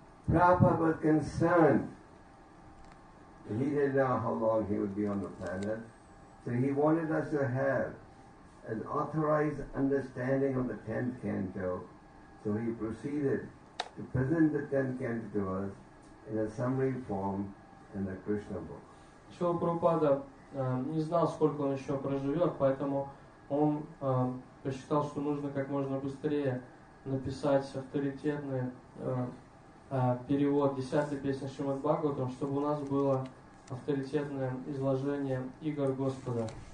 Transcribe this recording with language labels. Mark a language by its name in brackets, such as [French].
[English] Prabhupada was concerned. He didn't know how long he would be on the planet. So he wanted us to have an authorized understanding of the 10th canto. So he proceeded to present the 10th canto to us in a summary form in the Krishna book. [Russian] Шрила Прабхупада не знал, сколько он еще проживет, поэтому он посчитал, что нужно как можно быстрее написать авторитетный перевод 10-й песни Шримад Бхагаватам, чтобы у нас было авторитетное изложение игр Господа.